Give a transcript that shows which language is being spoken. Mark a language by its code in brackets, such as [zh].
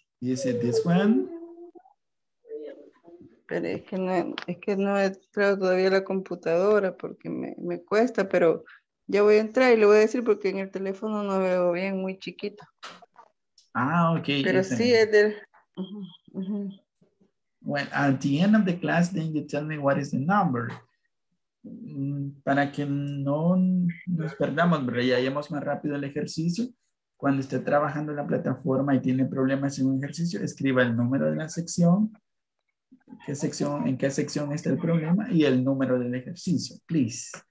[en] Is it this one? [es] Pero es que no he entrado todavía a la computadora porque me cuesta, pero ya voy a entrar y le voy a decir porque en el teléfono no veo bien, muy chiquito. Ah, okay. Pero sí es del... [en] Well, at the end of the class, then you tell me what is the number. [es] Para que no nos perdamos, pero ya vayamos más rápido el ejercicio. Cuando esté trabajando en la plataforma y tiene problemas en un ejercicio, escriba el número de la sección, en qué sección está el problema y el número del ejercicio, please.